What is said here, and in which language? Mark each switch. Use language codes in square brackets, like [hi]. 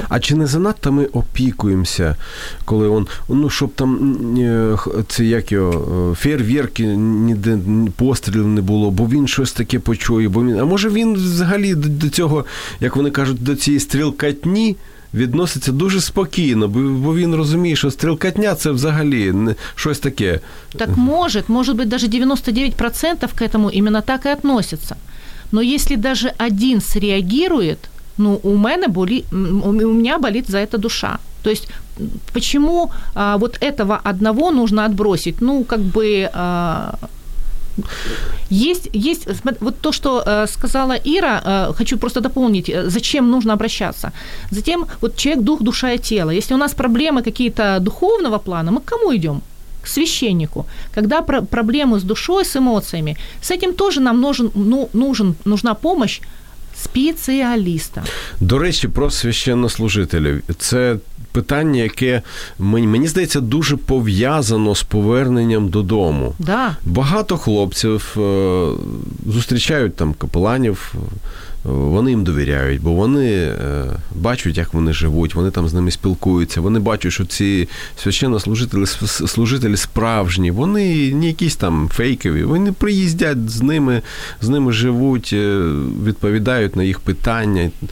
[uk] А чи не занадто ми опікуємося, коли он, ну, щоб там це як його фейерверки, ніде пострілів не було, бо він щось таке почує, бо він, а може він взагалі до цього, як вони кажуть, до цієї стрілкатні відноситься дуже спокійно, бо він розуміє, що стрілкатня – це взагалі не щось таке. Так може. Може бути, навіть 99% [ru] к этому именно [uk] так і відноситься. [ru] Но если даже один среагирует, ну, [uk] у мене болить, [ru] у меня болит за это душа. То есть, почему вот этого одного нужно отбросить? Ну, как бы... Есть, вот то, что сказала Ира, хочу просто дополнить, зачем нужно обращаться. Затем, вот человек, дух, душа и тело. Если у нас проблемы какие-то духовного плана, мы к кому идем? К священнику. Когда проблемы с душой, с эмоциями, с этим тоже нам нужна помощь специалиста. До речи, про священнослужителей. [uk] Це питання, яке, мені здається, дуже пов'язано з поверненням додому. [ru] Да. [uk] Багато хлопців зустрічають там капеланів, вони їм довіряють, бо вони бачать, як вони живуть, вони там з ними спілкуються, вони бачать, що ці священнослужителі служителі справжні, вони не якісь там фейкові, вони приїздять з ними живуть, відповідають на їх питання.